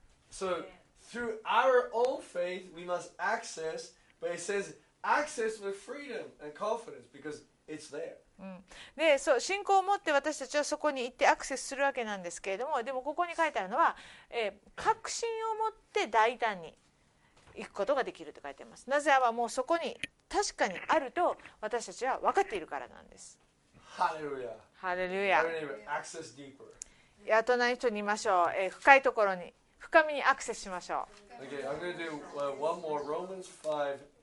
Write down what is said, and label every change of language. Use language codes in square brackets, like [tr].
[en] So through our own faith we must access, but it says access with freedom and confidence because it's there. [ja] でそう信仰を持って私たちはそこに行ってアクセスするわけなんですけれども、でもここに書いてあるのは、確信を持って大胆に行くことができると書いてあります。なぜはもうそこに確かにあると私たちは分かっているからなんです。ハレルヤ、ハレルヤ。 [en] アクセスディープ [ja] や隣の人にいましょう、深いところに深みにアクセスしましょう。 [en] OK, I'm going to do one more Romans 5:2.